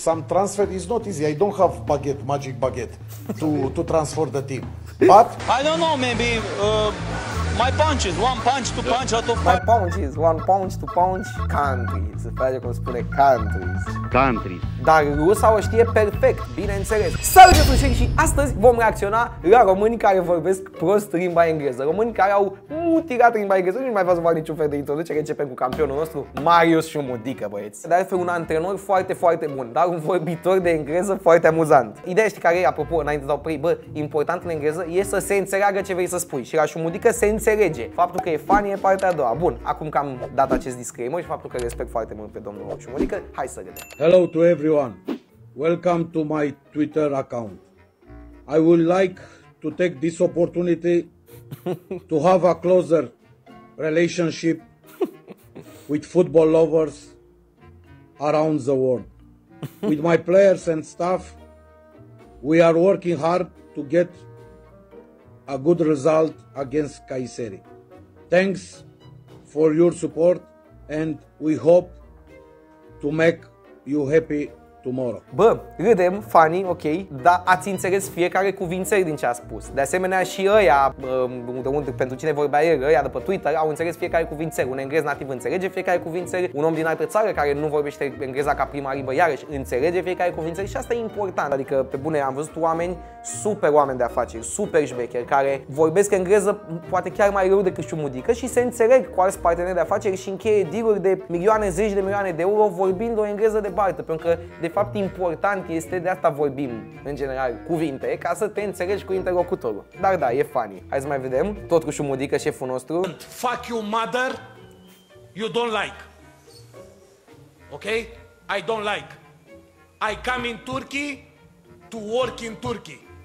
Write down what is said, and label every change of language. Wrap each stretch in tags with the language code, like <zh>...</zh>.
<en>some transfer is not easy. I don't have baguette, magic baguette, to transfer the team. But I don't know, maybe my punches, one punch to punch out of my punches, one punch to punch countries.</en> <ro>Fraie cum spune countries.</ro> <en>Countries.</en> <ro>Dar rusa o știe perfect, bineînțeles. Salut, jetușeni, și astăzi vom reacționa la românii care vorbesc prost limba engleză. Românii care au mutilat limba engleză. Nu mai vreau să fac niciun fel de introducere. Începem cu campionul nostru, Marius Șumudică, băieți. De altfel, un antrenor foarte, foarte bun, dar un vorbitor de engleză foarte amuzant. Ideea, știi care e, apropo, înainte de a opri, bă, important în engleză e să se înțeleagă ce vrei să spui. Și la Șumudică se înțelege. Faptul că e funny e partea a doua. Bun, acum că am dat acest disclaimer și faptul că respect foarte mult pe domnul Șumudică, hai să vedem.</ro> <en>Hello to everyone. Welcome to my Twitter account. I would like to take this opportunity to have a closer relationship with football lovers around the world. With my players and staff, we are working hard to get a good result against Kayseri. Thanks for your support and we hope to make you happy tomorrow.</en> <ro>Bă, râdem, funny, ok, dar ați înțeles fiecare cuvinte din ce a spus. De asemenea și ăia, pentru cine vorbea el, ăia de pe Twitter, au înțeles fiecare cuvinte. Un englez nativ înțelege fiecare cuvinte, un om din altă țară care nu vorbește engleza ca prima limbă, iarăși înțelege fiecare cuvinte și asta e important. Adică, pe bune, am văzut oameni, super oameni de afaceri, super șmecheri, care vorbesc engleză poate chiar mai rău decât Șumudică și se înțeleg cu alți parteneri de afaceri și încheie deal-uri de milioane, zeci de milioane de euro vorbind o engleză de baltă, pentru că de fapt important este, de asta vorbim în general cuvinte, ca să te înțelegi cu interlocutorul. Dar da, e funny. Hai să mai vedem, tot cu Șumudică, șeful nostru.</ro> <en>Don't fuck you mother, you don't like. Ok? I don't like. I come in Turkey to work in Turkey.</en>